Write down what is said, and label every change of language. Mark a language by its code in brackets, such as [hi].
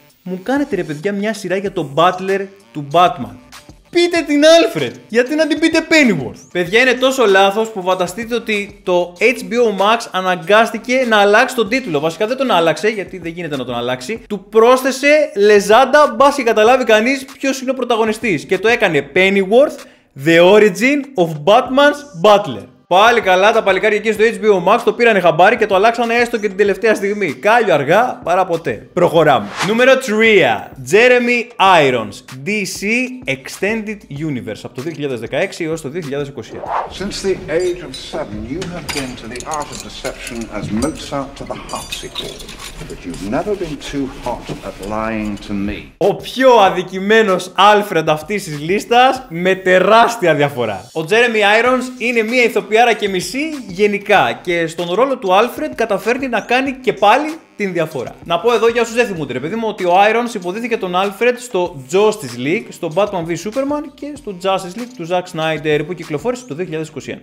[el] Μου κάνετε, ρε παιδιά, μια σειρά για τον Butler του Batman. Πείτε την Alfred, γιατί να την πείτε Pennyworth. Παιδιά, είναι τόσο λάθος που φανταστείτε ότι το HBO Max αναγκάστηκε να αλλάξει τον τίτλο. Βασικά δεν τον άλλαξε, γιατί δεν γίνεται να τον αλλάξει. Του πρόσθεσε Λεζάντα, μπας και καταλάβει κανείς ποιος είναι ο πρωταγωνιστής. Και το έκανε Pennyworth, The Origin of Batman's Butler. Πάλι καλά, τα παλικάρια εκεί στο HBO Max το πήρανε χαμπάρι και το αλλάξανε έστω και την τελευταία στιγμή. Κάλιο αργά, παρά ποτέ. Προχωράμε. Νούμερο 3. Jeremy Irons. DC Extended Universe. Από το 2016 έως το 2021. [en] Since the age of 7, you have been to the art of deception as Mozart to the harpsichord. But you've never been too hot at lying to me. [el] Ο πιο αδικημένος Alfred αυτής της λίστας, με τεράστια διαφορά. Ο Jeremy Irons είναι μία ηθοποιητή. Πιάρα και μισή γενικά και στον ρόλο του Alfred καταφέρνει να κάνει και πάλι την διαφορά. Να πω εδώ για όσους δεν θυμούνται, ρε παιδί μου, ότι ο Irons υποδίθηκε τον Alfred στο Justice League, στο Batman v Superman και στο Justice League του Zack Snyder που κυκλοφόρησε το 2021.